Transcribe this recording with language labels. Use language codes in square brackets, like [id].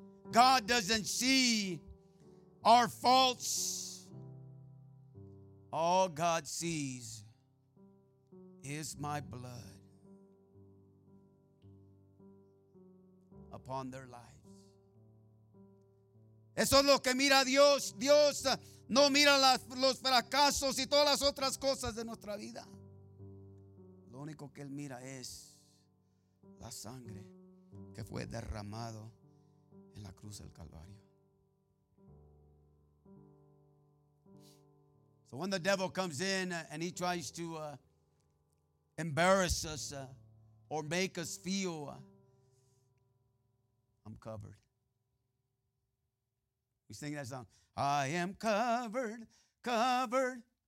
[en] God doesn't see our faults. All God sees is my blood upon their lives. [es] Eso es lo que mira Dios. Dios no mira los fracasos y todas las otras cosas de nuestra vida. Lo único que Él mira es la sangre que fue derramado en la cruz del Calvario. [en] So when the devil comes in and he tries to embarrass us or make us feel, I'm covered. We sing that song. I am covered, covered.